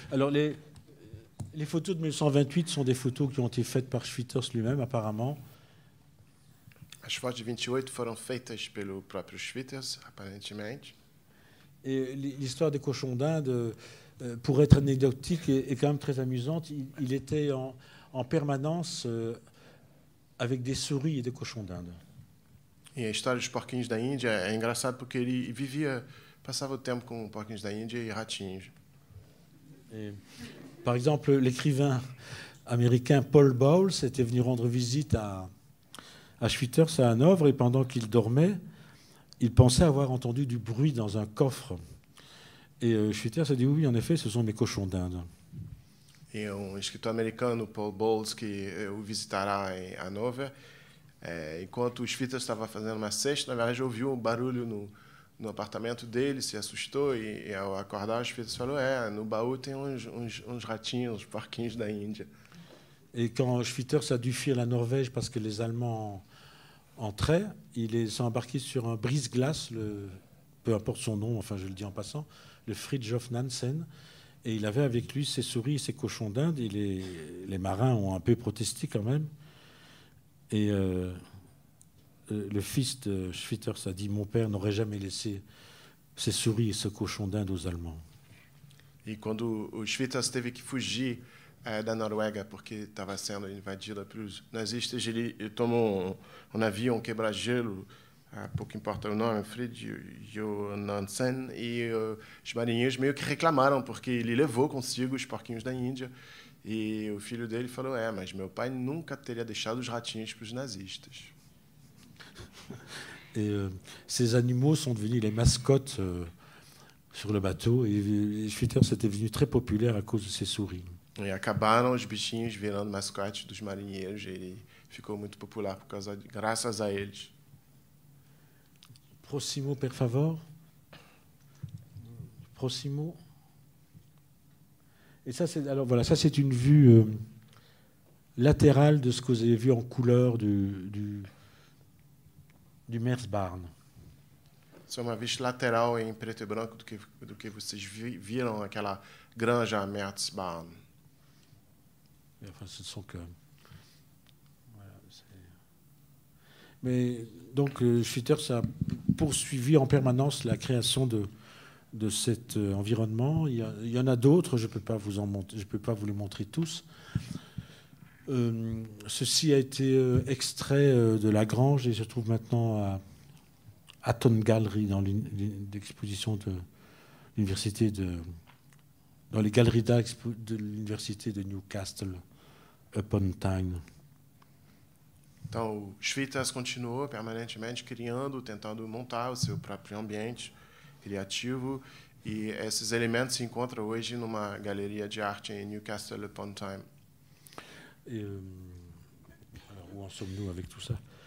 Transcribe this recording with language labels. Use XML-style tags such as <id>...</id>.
<fr>Alors les photos de 1928 sont des photos qui ont été faites par Schwitters lui-même apparemment.</fr> <pt>As fotos de 28 foram feitas pelo próprio Schwitters aparentemente.</pt> <fr>Et l'histoire des cochons d'Inde, pour être anecdotique, est quand même très amusante. Il était en permanence avec des souris et des cochons d'Inde. Et l'histoire des</fr> <pt>porquinhos da Índia é engraçado porque ele vivia passava o tempo com porquinhos da Índia e ratinhos.</pt> <fr>Par exemple, l'écrivain américain Paul Bowles était venu rendre visite à Schwitters à Hanovre et pendant qu'il dormait, il pensait avoir entendu du bruit dans un coffre. Et Schwitters a dit oui, en effet, ce sont mes cochons d'Inde. Et un écrivain américain, Paul Bowles, qui le visitera à Hanovre,</fr> <pt>enquanto Schwitters estava fazendo uma sieste, na verdade, ouviu um barulho no apartamento dele, se assustou e ao acordar, o Schwitters falou, no baú tem uns ratinhos, uns porquinhos da Índia.</pt> <fr>Et quand Schwitters a dû fuir la Norvège parce que les Allemands entraient, il est embarqué sur un brise-glace, le, peu importe son nom, enfin je le dis en passant, le Fridtjof Nansen. Et il avait avec lui ses souris et ses cochons d'Inde. Et les marins ont un peu protesté quand même. Et le fils de Schwitters a dit « Mon père n'aurait jamais laissé ses souris et ses cochons d'Inde aux Allemands. » Et quand Schwitters a dû</fr> <pt>fugir da Noruega, porque estava sendo invadida pelos nazistas, ele tomou um navio, um quebra-gelo, pouco importa o nome, Fridtjof Nansen, e os marinheiros meio que reclamaram, porque ele levou consigo os porquinhos da Índia, e o filho dele falou, é, mas meu pai nunca teria deixado os ratinhos para os nazistas. E esses animais são</pt> <fr>devenus les mascotes sur le bateau, e Schwitters était devenu très populaire à cause de ses souris.</fr> <pt>E acabaram os bichinhos virando mascote dos marinheiros. Ele ficou muito popular por causa de, graças a eles. Próximo, por favor. Próximo.</pt> <fr>E ça c'est alors voilà, ça c'est une vue latérale de ce que vous avez vu en couleur du Meersbarn.</fr> <pt>Isso é uma vista lateral em preto e branco do que vocês viram aquela granja Meersbarn.</pt> <fr>Enfin, ce ne sont que. Voilà, c'est... Mais donc, Schwitters a poursuivi en permanence la création de cet environnement. Il y en a d'autres, je ne peux pas vous en montrer, je peux pas vous les montrer tous. Ceci a été extrait de la grange et se trouve maintenant à Aton Gallery, dans l'exposition de l'université de. Dans les galeries d'art de l'université de Newcastle. Upon Tyne.</fr> <pt>Então, o Schwitters continuou permanentemente criando, tentando montar o seu próprio ambiente criativo, e esses elementos se encontram hoje numa galeria de arte em Newcastle upon Tyne.</pt> <fr>Alors, où en sommes-nous avec tout ça?</fr>